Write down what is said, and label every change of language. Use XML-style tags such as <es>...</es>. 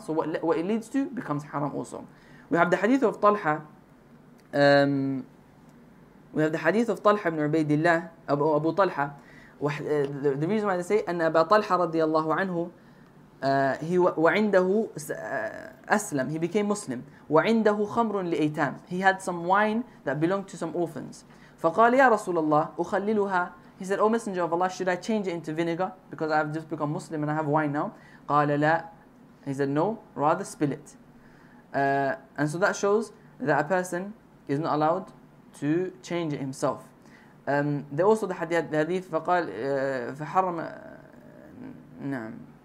<en>So what it leads to becomes haram also. We have the hadith of Talha ibn Ubaidillah, Abu Talha. The reason why they say, and Abu Talha radiallahu anhu, he became Muslim.</en> <ar>وعنده خمر لأيتام.</ar> <en>He had some wine that belonged to some orphans.</en> <ar>فقال يا رسول الله أخللها.</ar> <en>He said, oh Messenger of Allah, should I change it into vinegar because I have just become Muslim and I have wine now?</en> <ar>قال لا.</ar> <en>He said, no, rather spill it. And so that shows that a person is not allowed to change it himself. There also the hadith.</en> <ar>فقال فحرم نعم.</ar>